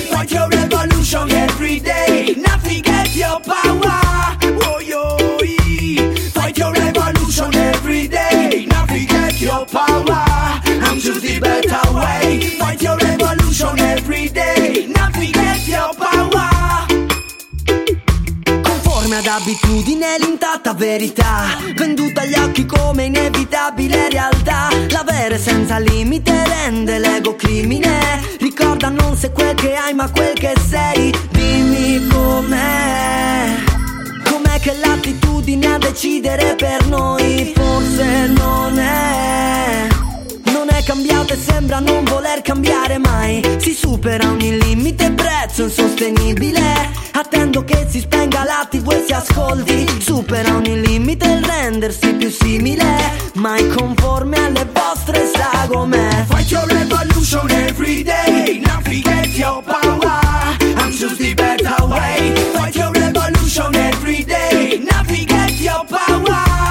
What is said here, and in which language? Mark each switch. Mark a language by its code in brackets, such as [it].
[en] Fight your revolution every day. Now forget your power. Oh, yo, fight your revolution every day. Now forget your power. Choose the better way. Fight your revolution every day. Now forget your power. [it] D'abitudine l'intatta verità, venduta agli occhi come inevitabile realtà. L'avere senza limite rende l'ego crimine. Ricorda non sei quel che hai ma quel che sei. Dimmi com'è, com'è che l'attitudine a decidere per noi. Forse non è, non è cambiato e sembra non voler cambiare mai. Si supera ogni limite, prezzo insostenibile. Attendo che si spenga la TV e si ascolti. Supera ogni limite il rendersi più simile, mai conforme alle vostre sagome. [en] Fight your revolution every day. Now forget your power and choose the better way. Fight your revolution every day. Now forget your power.